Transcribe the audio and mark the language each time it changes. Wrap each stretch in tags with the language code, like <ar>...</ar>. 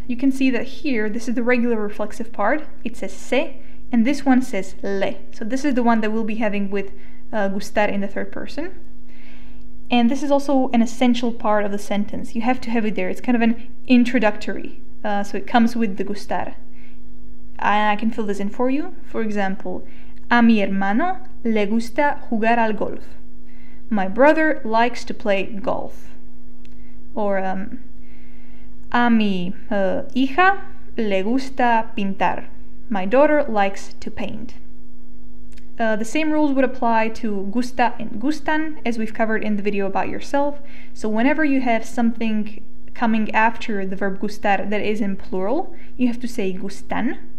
<en>You can see that here, this is the regular reflexive part. It says se, and this one says le. So this is the one that we'll be having with gustar in the third person. And this is also an essential part of the sentence. You have to have it there. It's kind of an introductory. So it comes with the gustar. I can fill this in for you. For example,</en> <es>a mi hermano le gusta jugar al golf.</es> <en>My brother likes to play golf. Or</en> <es>a mi hija le gusta pintar.</es> <en>My daughter likes to paint. The same rules would apply to gusta and gustan, as we've covered in the video about yourself. So whenever you have something coming after the verb gustar that is in plural, you have to say gustan.</en>